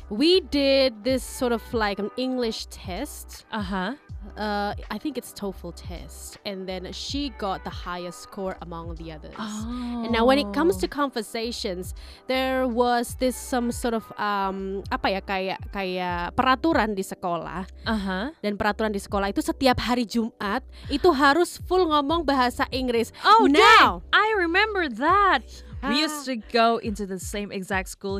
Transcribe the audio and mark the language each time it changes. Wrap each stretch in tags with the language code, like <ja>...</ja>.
<en>We did this sort of like an English test. Uh-huh. I think it's TOEFL test. And then she got the highest score among the others. Oh. And now when it comes to conversations, there was this some sort of kayak peraturan di sekolah. Uh-huh.</en> <id>Dan peraturan di sekolah itu setiap hari Jumat itu harus full ngomong bahasa Inggris.</id> <en>Oh, now, dang, I remember that. We used to go into the same exact school.</en>